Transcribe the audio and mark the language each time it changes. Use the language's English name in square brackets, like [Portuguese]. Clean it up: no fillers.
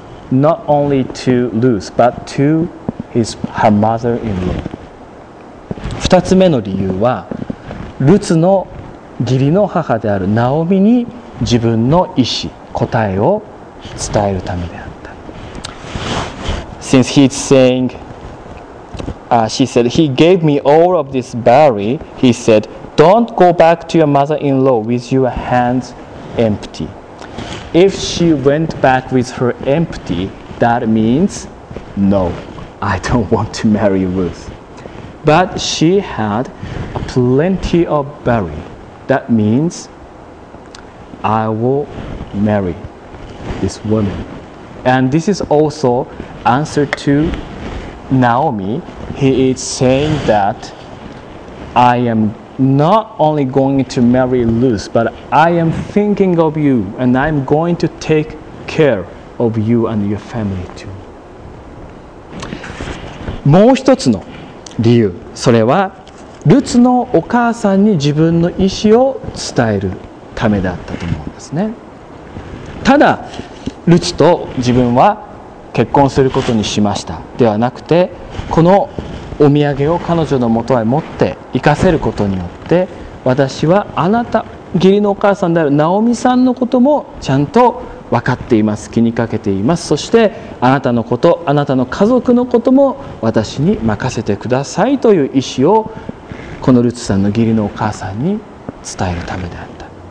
[English] Not only to Ruth, but to her mother-in-law. [Japanese] 二二つ目の理由は、ルツの義理の母であるナオミに自分の意思、答えを伝えるためであった。 [English] Since he's saying、she said, he gave me all of this barley, he said, don't go back to your mother-in-law with your hands empty. If she went back with her empty, that means, no, I don't want to marry Ruth. But she had plenty of berry. That means I will marry this woman. And this is also answer to Naomi. He is saying that I am not only going to marry Ruth, but I am thinking of you and I'm going to take care of you and your family too. [Japanese] もう一つの理由、それはルツのお母さんに自分の意思を伝えるためだったと思うんですね。ただルツと自分は結婚することにしましたではなくて、このお土産を彼女のもとへ持って行かせることによって、私はあなた義理のお母さんであるナオミさんのこともちゃんと分かっています、気にかけています、そしてあなたのこと、あなたの家族のことも私に任せてくださいという意思を、このルツさんの義理のお母さんに伝えるためであった。